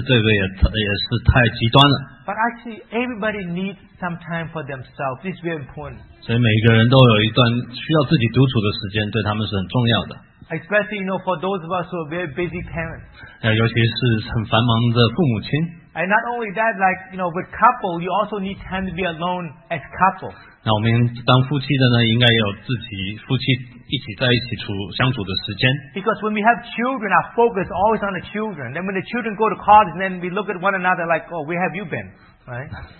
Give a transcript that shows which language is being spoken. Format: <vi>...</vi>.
<zh>那时候我在想，我是喜欢有独处的时间，但是这个也是太极端了。</zh> <en>But actually, everybody needs some time for themselves. This is very important.</en> <zh>所以每个人都有一段需要自己独处的时间，对他们是很重要的。</zh> <en>Especially, you know, for those of us who are very busy parents.</en> <zh>尤其是很繁忙的父母亲。</zh> <en>And not only that, like, you know, with couple, you also need time to be alone as couple.</en> <zh>那我们当夫妻的呢，应该也有自己夫妻一起在一起处相处的时间。</zh> <en>Because when we have children, our focus is always on the children. Then when the children go to college, then we look at one another like, oh, where have you been, right?</en>